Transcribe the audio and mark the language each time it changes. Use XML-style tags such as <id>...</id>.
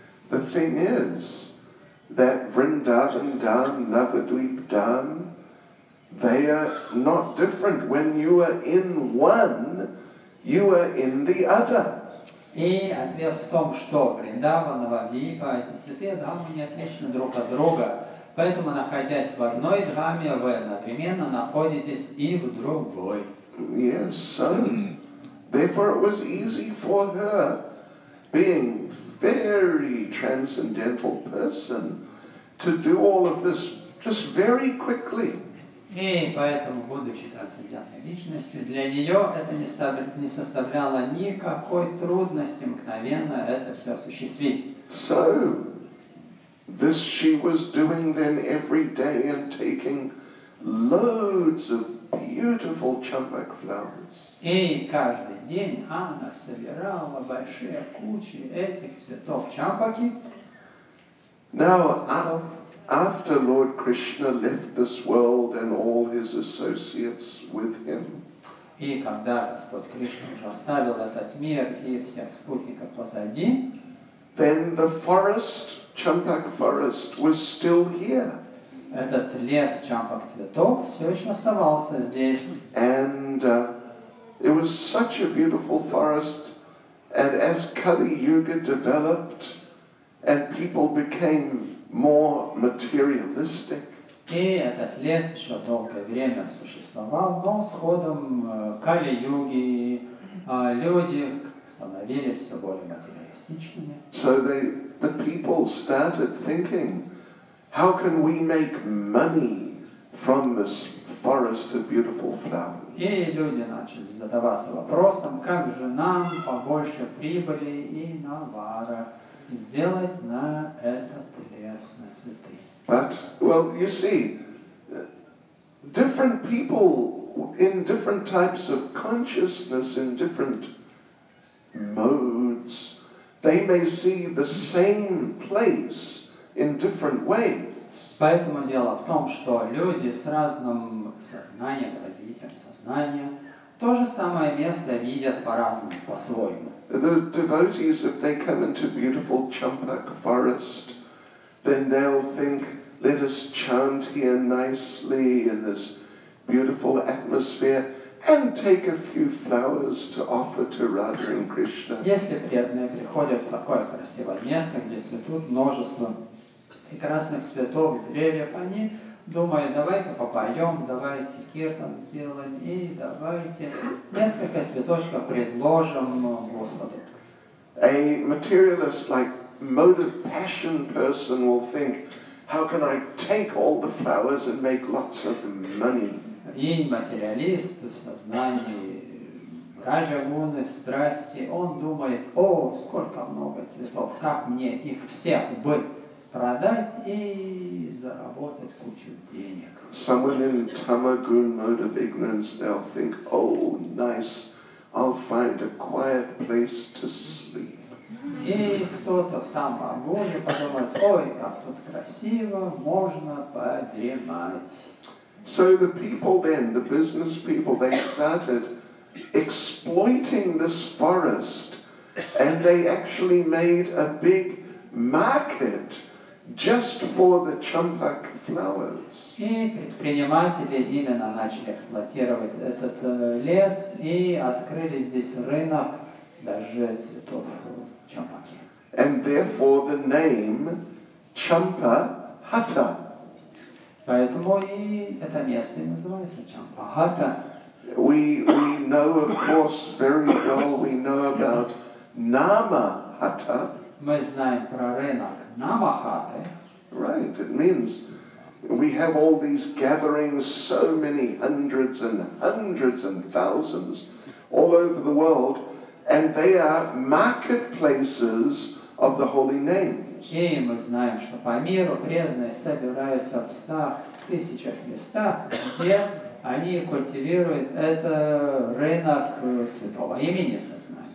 <en>The thing is that Vrindavan Dham, Navadvip Dham, they are not different. When you are in one, you are in the other.</en> <ru>И ответ в том, что Вриндава, Навадвипа, эти святые дамы не отличны друг от друга. Поэтому, находясь в одной драме, вы одновременно находитесь и в другой.</ru> <en>Yes, son. Therefore, it was easy for her, being very transcendental person, to do all of this just very quickly.</en> <ru>И поэтому, будучи трансцендентной личностью, для нее это не составляло никакой трудности мгновенно это все осуществить.</ru> <en>So, this she was doing then every day and taking loads of beautiful champak flowers.</en> <ru>И каждый день она собирала большие кучи этих цветов чампаки.</ru> <en>Now, after Lord Krishna left this world and all his associates with him.</en> <ru>И когда Господь Кришна уже оставил этот мир и всех спутников позади,</ru> <en>then the forest, Champak forest, was still here.</en> <ru>Этот лес Champak цветов все еще оставался здесь.</ru> <en>And it was such a beautiful forest, and as Kali Yuga developed and people became more materialistic.</en> <ru>И этот лес еще долгое время существовал, но с ходом Кали-юги люди становились все более материалистичными.</ru> <en>So the people started thinking, how can we make money from this forest of beautiful flowers?</en> <ru>И люди начали задаваться вопросом, как же нам побольше прибыли и навара сделать на этот лес, на цветы.</ru> <en>But, well, you see, different people in different types of consciousness, in different modes, they may see the same place in different ways.</en> <ru>Поэтому дело в том, что люди с разным сознанием, развитием сознания, то же самое место видят по-разному, по-своему.</ru> <en>The devotees, if they come into beautiful Champak forest, then they'll think, let us chant here nicely in this beautiful atmosphere and take a few flowers to offer to Radha and Krishna.</en> <ru>Если преданные приходят в такое красивое место, где цветут множество прекрасных цветов и деревьев, они думают, давай-ка попоем, давайте киртан сделаем и давайте несколько цветочков предложим Господу.</ru> <en>A materialist, like motive passion person, will think, how can I take all the flowers and make lots of money?</en> <ru>И материалист в сознании раджа-гуны, в страсти, он думает, о, сколько много цветов, как мне их всех бы продать и заработать кучу денег.</ru> <en>Someone in tamagun mode of ignorance, they'll think, oh, nice, I'll find a quiet place to sleep.</en> <ru>И кто-то в тамагуне подумает, ой, как тут красиво, можно подремать.</ru> <en>So the people then, the business people, they started exploiting this forest, and they actually made a big market just for the champak flowers.</en> <ru>И предприниматели именно начали эксплуатировать этот лес и открыли здесь рынок даже цветов чампаки.</ru> <en>And therefore the name Champahatta.</en> <ru>Поэтому и это место и называется Champahatta.</ru> <en>We know, of course, very well, we know about Namahatta.</en> <ru>Мы знаем про рынок Намахаты.</ru> <en>Right, it means we have all these gatherings, so many hundreds and hundreds and thousands all over the world, and they are marketplaces of the holy names.</en> <ru>И мы знаем, что по миру преданные собираются в стах, тысячах местах, где они культивируют это рынок святого имени сознания.</ru>